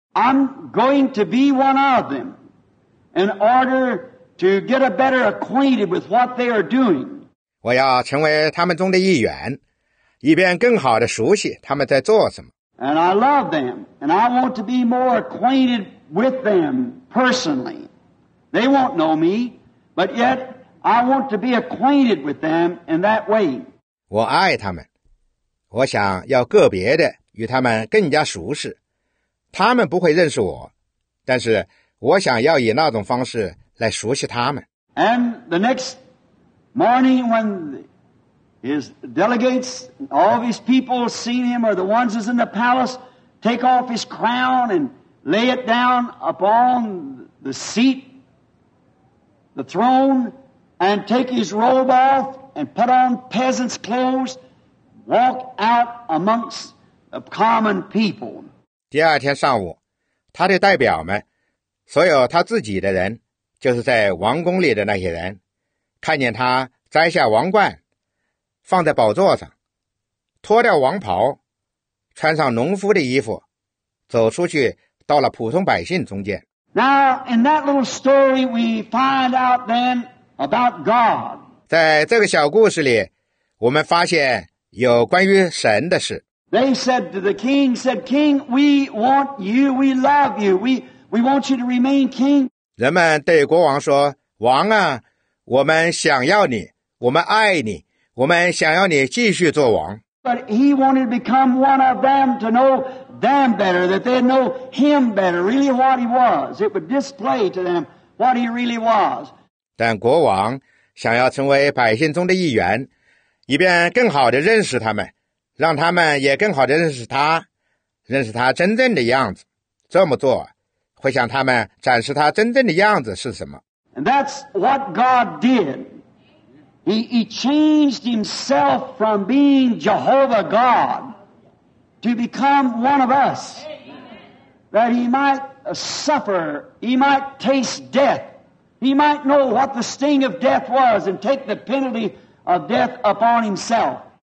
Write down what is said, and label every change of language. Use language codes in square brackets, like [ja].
[en] I'm going to be one of them. In order to get a better acquainted with what they are doing. [zh] 我要成为他们中的一员，以便更好地熟悉他们在做什么。 [en] And I love them, and I want to be more acquainted with them personally. They won't know me, but yet I want to be acquainted with them in that way. [zh] 我爱他们，我想要个别地与他们更加熟识。他们不会认识我，但是我想要以那种方式来熟悉他们。 [en] And the next morning when his delegates, all of his people seen him, or the ones who's in the palace, take off his crown and lay it down upon the seat, the throne, and take his robe off and put on peasant's clothes, walk out amongst the common people. [zh] 第二天上午，他的代表们所有他自己的人，就是在王宫里的那些人，看见他摘下王冠，放在宝座上，脱掉王袍，穿上农夫的衣服，走出去，到了普通百姓中间。 [en] Now, in that little story, we find out then about God. [zh] 在这个小故事里，我们发现有关于神的事。 [en] They said to the king, said, King, we want you, we love you, We want you to remain king. [zh] 人们对国王说，王啊，我们想要你，我们爱你，我们想要你继续做王。 [en] But he wanted to become one of them to know them better, that they know him better, really what he was. It would display to them what he really was. [zh] 但国王想要成为百姓中的一员，以便更好地认识他们，让他们也更好地认识他，认识他真正的样子。这么做会向他们展示他真正的样子是什么。 [en] And that's what God did. He changed himself from being Jehovah God to become one of us, that he might suffer, he might taste death, he might know what the sting of death was and take the penalty of death upon himself.